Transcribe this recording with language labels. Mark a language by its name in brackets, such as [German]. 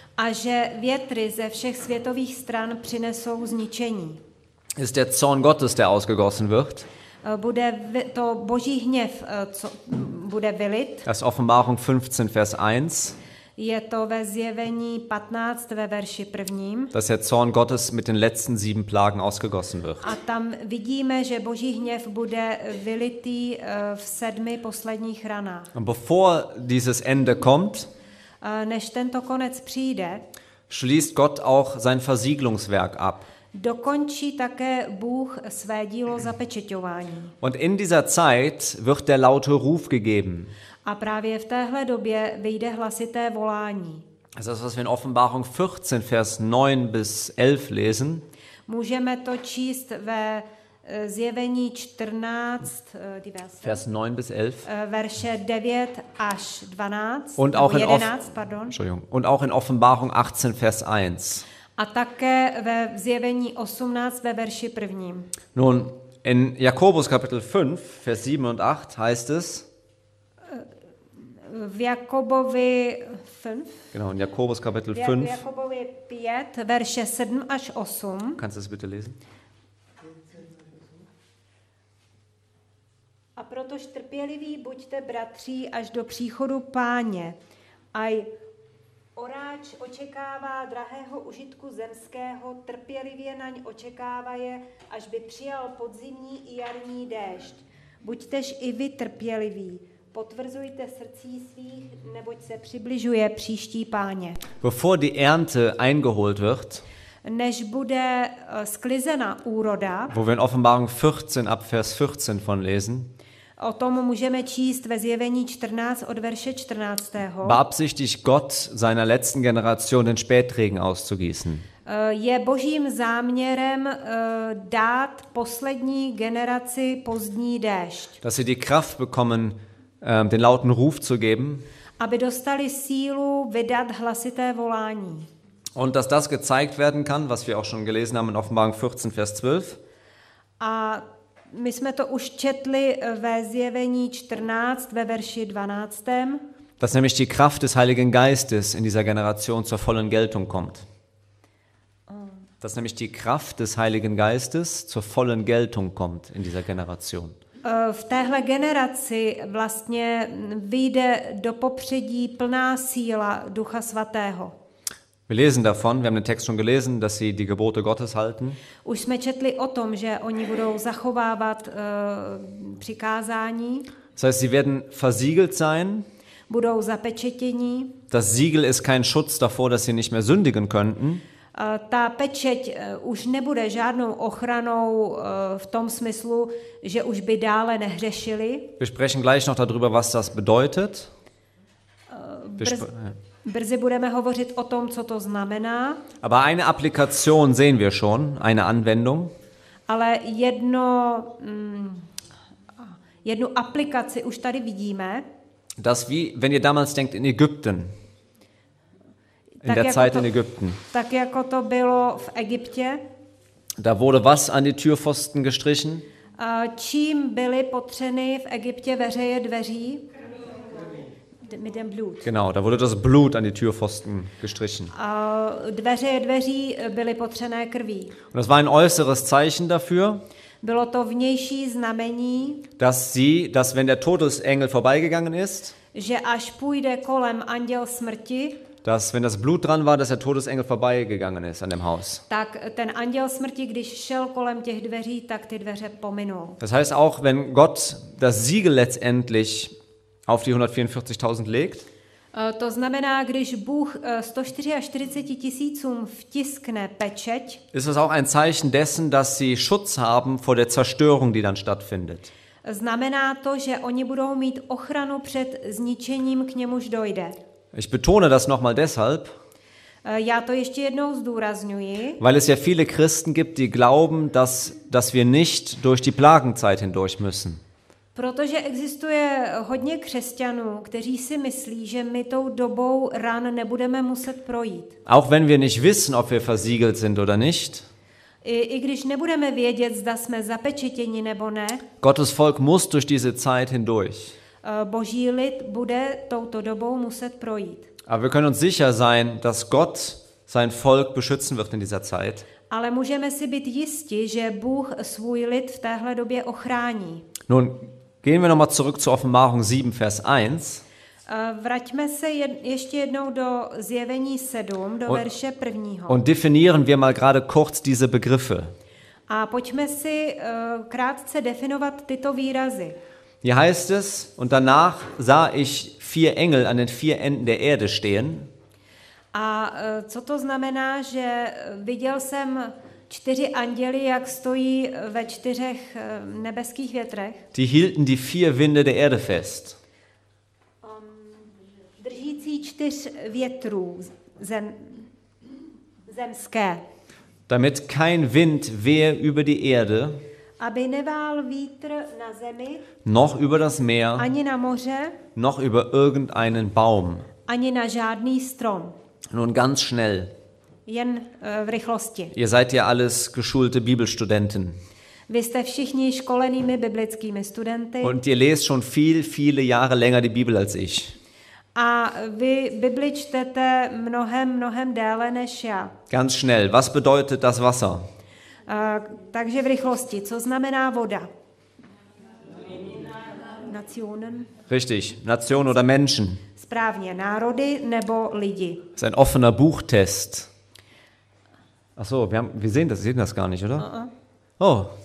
[Czech] A že větry ze všech světových stran přinesou zničení. [German] Ist der Zorn Gottes, der ausgegossen wird. [Czech] Bude to Boží hněv, co bude vylit. [German] Das ist Offenbarung 15, Vers 1. [Czech] Je to ve zjevení 15, ve verši 1. [German] Dass der Zorn Gottes mit den letzten sieben Plagen ausgegossen wird. [Czech] A tam vidíme, že Boží hněv bude vylitý v sedmi posledních ranách. [German] Und bevor dieses Ende kommt, [Czech] než tento konec přijde, [German] schließt Gott auch sein Versiegelungswerk ab. [Czech] Dokončí také Bůh své dílo zapečeťování. [German] Und in dieser Zeit wird der laute Ruf gegeben. [Czech] A právě v téhle době vyjde hlasité volání. [German] Das ist, was wir in Offenbarung 14, Vers 9 bis 11 lesen. [Czech] Můžeme to číst ve zjevení 14, [German] Vers 9 bis 11. [Czech] Verše 9 až 12. [German] Und auch 11, in Entschuldigung. Und auch in Offenbarung 18, Vers 1. [Czech] A také ve zjevení 18, ve verši 1. [German] Nun, in Jakobus Kapitel 5, Vers 7 und 8 heißt es, [Czech] v Jakobovi 5. [German] Genau, in Jakobus Kapitel 5. [Czech] Jakobovi 5, verše 7 až 8. [German] Kannst du es bitte lesen? [Czech] A protož trpěliví buďte bratří až do příchodu Páně. Aj oráč očekává drahého užitku zemského, trpělivě naň očekává je, až by přijal podzimní i jarní déšť. Buďtež i vy trpěliví. Potvrzujte srdcí svých, neboť se přibližuje příští páně. [German] Bevor die Ernte eingeholt wird, [Czech] než bude sklizena úroda, [German] wo wir in Offenbarung 14 ab Vers 14 von lesen, [Czech] o tom můžeme číst ve Zjevení 14 od verše 14. [German] Beabsichtigt Gott seiner letzten Generation den Spätregen auszugießen. [Czech] Je Božím záměrem dát poslední generaci pozdní déšť. [German] Dass sie die Kraft bekommen, den lauten Ruf zu geben. [Czech] Aby dostali sílu vydat hlasité volání. [German] Und dass das gezeigt werden kann, was wir auch schon gelesen haben in Offenbarung 14 Vers 12. [Czech] A my jsme to už četli ve Zjevení 14 ve verši 12. [German] Dass nämlich die Kraft des Heiligen Geistes in dieser Generation zur vollen Geltung kommt. Dass nämlich die Kraft des Heiligen Geistes zur vollen Geltung kommt in dieser Generation. [Czech] V téhle generaci vlastně vyjde do popředí plná síla Ducha Svatého. [German] Wir lesen davon, wir haben den Text schon gelesen, dass sie die Gebote Gottes halten. [Czech] Už jsme četli o tom, že oni budou zachovávat přikázání. [German] Das heißt, sie werden versiegelt sein. [Czech] Budou zapečetění. [German] Das Siegel ist kein Schutz davor, dass sie nicht mehr sündigen könnten. [Czech] Ta pečeť už nebude žádnou ochranou v tom smyslu, že už by dále nehřešili. [German] Wir sprechen gleich noch darüber, was das bedeutet. [Czech] Brzy budeme hovořit o tom, co to znamená. [German] Aber eine Applikation sehen wir schon, eine Anwendung. [Czech] Ale jednu aplikaci už tady vidíme. [German] Das wie, wenn ihr damals denkt in Ägypten. In [Czech] tak [German] der [Czech] jako [German] Zeit [Czech] to, [German] in Ägypten. [Czech] Tak jako to bylo v Egyptě. [German] Da wurde was an die Türpfosten gestrichen? [Czech] Čím byly potřeny v Egyptě veřeje dveří? [German] Mit dem Blut. Genau, da wurde das Blut an die Türpfosten gestrichen. [Czech] Dveří byly potřené krví. [German] Und das war ein äußeres Zeichen dafür. [Czech] Bylo to vnější znamení. [German] Dass wenn der Todesengel vorbeigegangen ist. [Czech] Že až půjde kolem anděl smrti. [German] Dass wenn das Blut dran war, dass der Todesengel vorbeigegangen ist an dem Haus. [Czech] Tak ten anděl smrti, když šel kolem těch dveří, tak ty dveře pominul. [German] Das heißt auch, wenn Gott das Siegel letztendlich auf die 144.000 legt. [Czech] To znamená, když Bůh 144 tisícům vtiskne pečeť. [German] Ist es auch ein Zeichen dessen, dass sie Schutz haben vor der Zerstörung, die dann stattfindet. [Czech] Znamená to, že oni budou mít ochranu před zničením, k němuž dojde. [German] Ich betone das nochmal deshalb. [Czech] Já to ještě jednou zdůrazňuji. [German] Weil es ja viele Christen gibt, die glauben, dass wir nicht durch die Plagenzeit hindurch müssen. [Czech] Protože existuje hodně křesťanů, kteří si myslí, že my tou dobou ran nebudeme muset projít. [German] Auch wenn wir nicht wissen, ob wir versiegelt sind oder nicht. [Czech] I když nebudeme vědět, zda jsme zapečetěni nebo ne. [German] Gottes Volk muss durch diese Zeit hindurch. [Czech] Boží lid bude touto dobou muset projít. [German] Aber wir können uns sicher sein, dass Gott sein Volk beschützen wird in dieser Zeit. [Czech] Ale můžeme si být jisti, že Bůh svůj lid v téhle době ochrání. [German] Nun gehen wir noch mal zurück zu Offenbarung 7 Vers 1. [Czech] Vraťme se ještě jednou do Zjevení 7 do verše 1. [German] Und definieren wir mal gerade kurz diese Begriffe. [Czech] A pojďme si krátce definovat tyto výrazy. [German] Hier heißt es, und danach sah ich vier Engel an den vier Enden der Erde stehen. [Czech] A co to znamená, že viděl jsem čtyři anděly, jak stojí ve čtyřech nebeských větrech? [German] Die hielten die vier Winde der Erde fest. [Czech] Držící čtyř větrů zemské. [German] Damit kein Wind wehe über die Erde. [Czech] Aby nevál vítr na zemi, [German] noch über das Meer, [Czech] ani na moře, [German] noch über irgendeinen Baum, [Czech] ani na žádný strom. [German] Nun ganz schnell. [Czech] Jen v rychlosti. [German] Ihr seid ja alles geschulte Bibelstudenten. [Czech] Vy jste všichni školenými biblickými studenty. [German] Und ihr lest schon viel, viele Jahre länger die Bibel als ich. [Czech] A vy Bibli čtete mnohem, mnohem déle než já. [German] Ganz schnell. Was bedeutet das Wasser? [Czech] Takže v rychlosti. Co znamená voda? [German] Nationen. Richtig. Nation oder Menschen. [Czech] Správně. Národy nebo lidi. [German] Das ist ein offener Buchtest. Ach so, wir sehen das gar nicht, oder? Oh,